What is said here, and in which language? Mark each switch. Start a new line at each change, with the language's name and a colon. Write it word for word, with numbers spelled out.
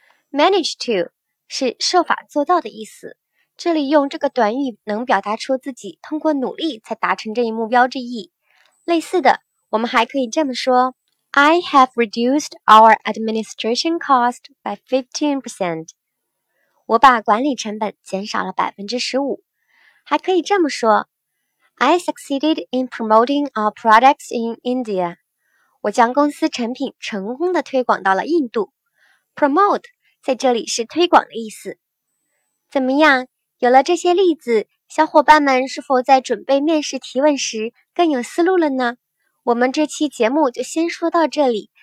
Chinese: Manage to 是设法做到的意思，这里用这个短语能表达出自己通过努力才达成这一目标之意。类似的，我们还可以这么说：
English: I have reduced our administration cost by fifteen percent.
Chinese: 我把管理成本减少了百分之十五。还可以这么说：
English: I succeeded in promoting our products in India.
Chinese: 我将公司产品成功的推广到了印度。Promote 在这里是推广的意思。怎么样？有了这些例子，小伙伴们是否在准备面试提问时更有思路了呢？我们这期节目就先说到这里，